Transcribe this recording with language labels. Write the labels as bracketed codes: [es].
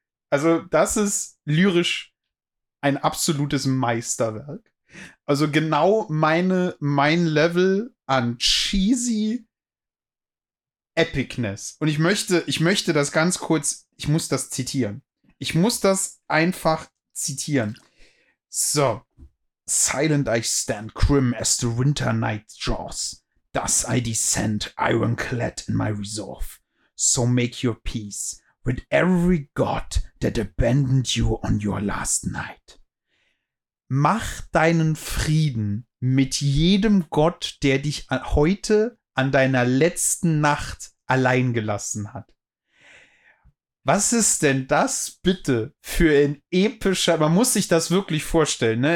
[de] Also das ist lyrisch ein absolutes Meisterwerk. Also genau mein Level an cheesy Epicness. Und ich möchte das ganz kurz, ich muss das zitieren. Ich muss das einfach zitieren. So. [en] Silent I stand grim as the winter night draws. Thus I descend, ironclad in my resolve. So make your peace with every god that abandoned you on your last night. [de] Mach deinen Frieden mit jedem Gott, der dich heute an deiner letzten Nacht allein gelassen hat. Was ist denn das bitte für ein epischer, man muss sich das wirklich vorstellen, ne?